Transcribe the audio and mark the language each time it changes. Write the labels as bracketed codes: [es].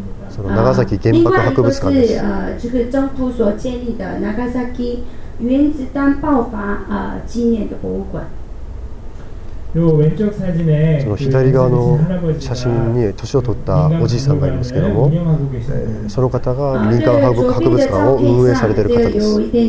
[ja] その長崎原爆博物館です。 [zh] 这个政府所建立的長崎原子弹爆发纪念的博物館。 [ja] その左側の写真に年を取ったおじいさんがいますけども、その方が民間博物館を運営されている方です。